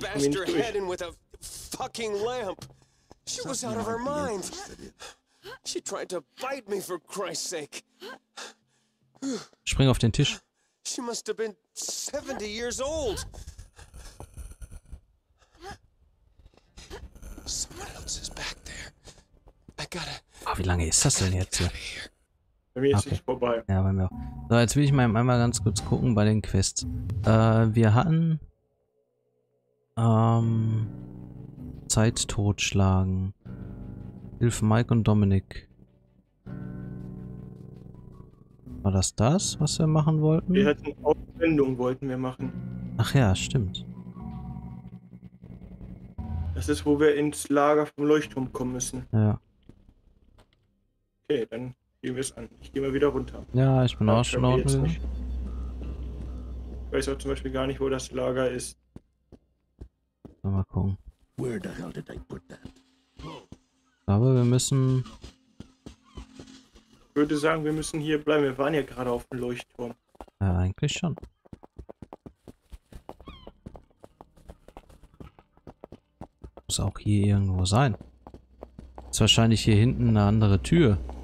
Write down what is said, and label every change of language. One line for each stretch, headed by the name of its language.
English: bashed her head in with a fucking lamp. She was out of her mind. She tried to bite me for Christ's sake.
German: Spring auf den Tisch.
English: She must have been 70 years old. Someone else is back there. I gotta.
German: Ah, wie lange ist das denn jetzt hier? Bei mir ist nicht vorbei. Ja, bei mir auch. So, jetzt will ich mal einmal ganz kurz gucken bei den Quests. Wir hatten Zeit totschlagen. Hilf Mike und Dominic. War das das, was wir machen wollten? Wir hatten Aufwendung wollten wir machen. Ach ja, stimmt. Das ist, wo wir ins Lager vom Leuchtturm kommen müssen. Ja. Okay, dann gehen wir es an. Ich gehe mal wieder runter. Ja, ich bin auch schon unten. Ich weiß auch zum Beispiel gar nicht, wo das Lager ist. Mal gucken.
English: Where the hell did I put that?
German: Aber wir müssen würde sagen, wir müssen hier bleiben. Wir waren ja gerade auf dem Leuchtturm. Ja, eigentlich schon. Muss auch hier irgendwo sein. Ist wahrscheinlich hier hinten eine andere Tür.